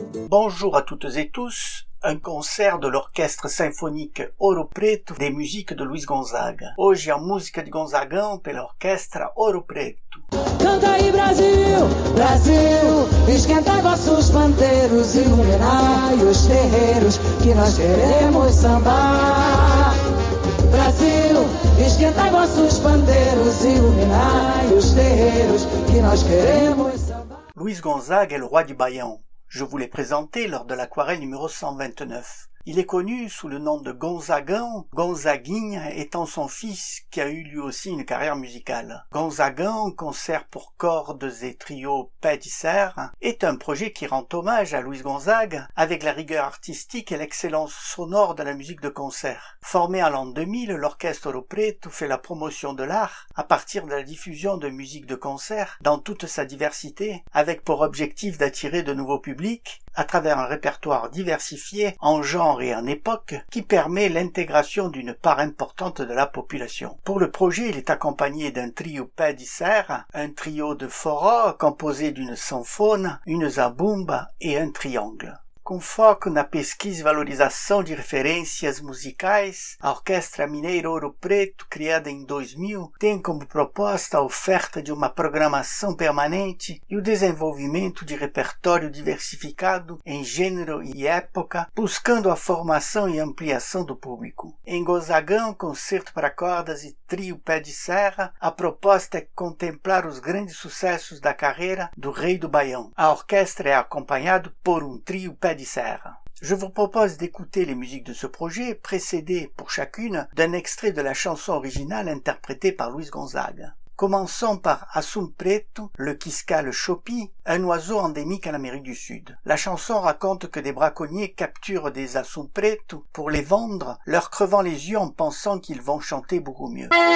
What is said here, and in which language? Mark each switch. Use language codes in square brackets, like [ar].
[fr] Bonjour à toutes et tous, un concert de l'orchestre symphonique Ouro Preto des musiques de Luiz Gonzaga. [pt] Hoje a música de Gonzagão pela orquestra Ouro Preto. Canta aí Brasil, Brasil, esquenta vossos panteiros, iluminai os terreiros que nós queremos sambar. Brasil, esquenta vossos panteiros, iluminai os terreiros que nós queremos sambar. Luiz Gonzaga é o roi de Baião. [fr] Je vous l'ai présenté lors de l'aquarelle numéro 129. Il est connu sous le nom de Gonzagão, Gonzaguinha étant son fils qui a eu lui aussi une carrière musicale. Gonzagão, concert pour cordes et trio Paix d'Isère, est un projet qui rend hommage à Luiz Gonzaga avec la rigueur artistique et l'excellence sonore de la musique de concert. Formé en l'an 2000, l'orchestre Ouro Preto fait la promotion de l'art à partir de la diffusion de musique de concert dans toute sa diversité, avec pour objectif d'attirer de nouveaux publics à travers un répertoire diversifié en genre et en époque qui permet l'intégration d'une part importante de la population. Pour le projet, il est accompagné d'un trio Paix d'Isère, un trio de foro composé d'une sanfone, une zabumba et un triangle. [pt] Com foco na pesquisa e valorização de referências musicais, a Orquestra Mineira Ouro Preto, criada em 2000, tem como proposta a oferta de uma programação permanente e o desenvolvimento de repertório diversificado em gênero e época, buscando a formação e ampliação do público. Em Gonzagão, concerto para cordas e trio Paix d'Isère, a proposta é contemplar os grandes sucessos da carreira do Rei do Baião. A orquestra é acompanhada por um trio Paix d'Isère. [fr] Je vous propose d'écouter les musiques de ce projet, précédées pour chacune d'un extrait de la chanson originale interprétée par Luiz Gonzaga. Commençons par Assum Preto, le quiscale Chopi, un oiseau endémique en Amérique du Sud. La chanson raconte que des braconniers capturent des Assum Preto pour les vendre, leur crevant les yeux en pensant qu'ils vont chanter beaucoup mieux.